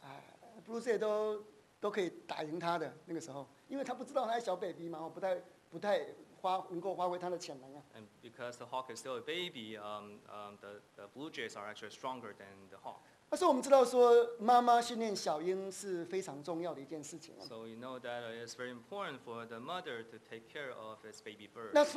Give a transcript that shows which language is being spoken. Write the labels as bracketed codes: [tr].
[zh] 啊 ，blue jay 都可以打赢他的那个时候，因为他不知道他是小 baby 嘛，不太能够发挥他的潜能啊。 [en] And because the hawk is still a baby, the blue jays are actually stronger than the hawk. [zh] 但是我们知道说，妈妈训练小鹰是非常重要的一件事情。 [en] So you know that it's very important for the mother to take care of its baby bird.